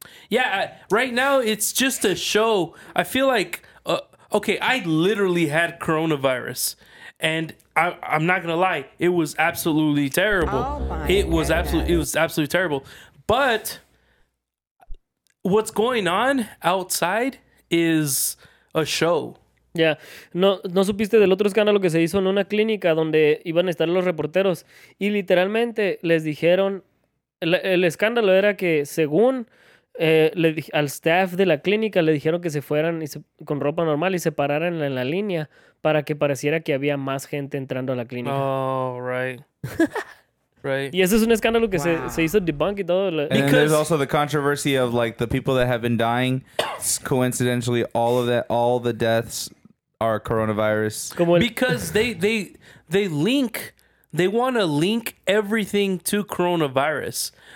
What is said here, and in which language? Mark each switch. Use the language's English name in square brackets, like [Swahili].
[English] Yeah, right now it's just a show. I feel like, okay, I literally had coronavirus. And I'm not gonna lie, it was absolutely terrible. Oh my it was goodness. Absolutely it was absolutely terrible. But what's going on outside is a show. [Spanish] Ya, no supiste del otro escándalo que se hizo en una clínica donde iban a estar los reporteros y literalmente les dijeron, el escándalo era que según al staff de la clínica le dijeron que se fueran y con ropa normal y se pararan en la línea para que pareciera que había más gente entrando a la clínica. [English] Oh, right. Right. [Spanish] Y eso es un escándalo que se hizo debunk y todo. [English] And then there's also the controversy of like the people that have been dying. Coincidentally, all the deaths are coronavirus. Because they want to link everything to coronavirus.